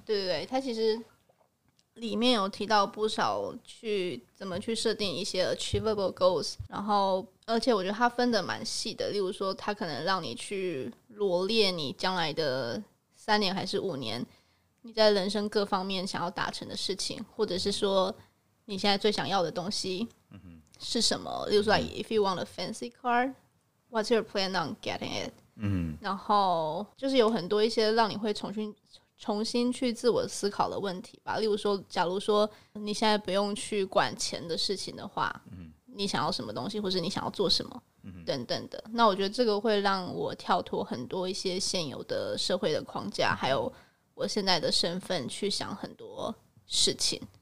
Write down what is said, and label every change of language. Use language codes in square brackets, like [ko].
[zh] 对对对，他其实里面有提到不少去怎么去设定一些 [en] achievable goals， [zh] 然后而且我觉得他分的蛮细的，例如说他可能让你去罗列你将来的三年还是五年你在人生各方面想要达成的事情，或者是说你现在最想要的东西是什么。例如说 [en] like, if you want a fancy car, what's your plan on getting it？ [zh] 然后就是有很多一些让你会重新去自我思考的问题吧。例如说假如说你现在不用去管钱的事情的话，你想要什么东西或是你想要做什么等等的。那我觉得这个会让我跳脱很多一些现有的社会的框架，还有我现在的身份去想很多事情。